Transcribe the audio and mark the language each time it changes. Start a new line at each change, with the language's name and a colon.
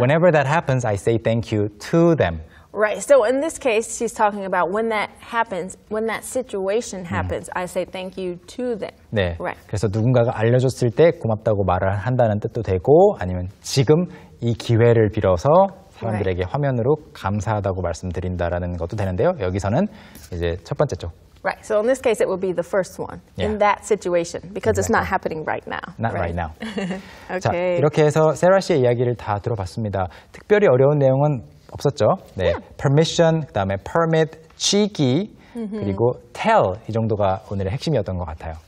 English: Whenever that happens, I say thank you to them. Right. So in this case, she's talking about when that happens, when that situation happens, I say thank you to them.
Korean: 네.
English: Right.
Korean: 그래서 누군가가 알려줬을 때 고맙다고 말을 한다는 뜻도 되고 아니면 지금 이 기회를 빌어서 사람들에게 right. 화면으로 감사하다고 말씀드린다라는 것도 되는데요. 여기서는 이제 첫 번째죠.
English: Right. So in this case, it would be the first one yeah. in that situation because exactly. it's not happening right now. Not right, right now. okay.
Korean: 자, 이렇게 해서 세라 씨의 이야기를 다 들어봤습니다. 특별히 어려운 내용은 없었죠. 네,
English: yeah.
Korean: permission, 그다음에 permit, 취기, mm-hmm. 그리고 tell 이 정도가 오늘의 핵심이었던 것 같아요.